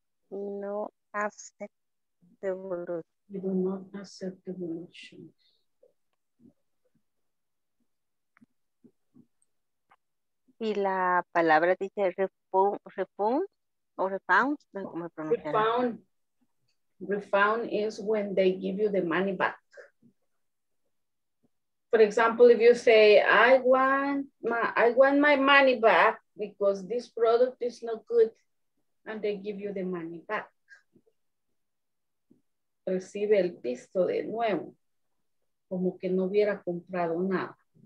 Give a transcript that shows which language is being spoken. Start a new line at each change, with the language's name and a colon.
English: No accept devolution. We do not accept devolution.
Spanish: Y la palabra dice refund, no sé cómo pronunciar.
English: Refund is when they give you the money back. For example, if you say, I want my money back because this product is not good, and they give you the money back.
Spanish: Recibe el pisto de nuevo, como que no hubiera comprado nada.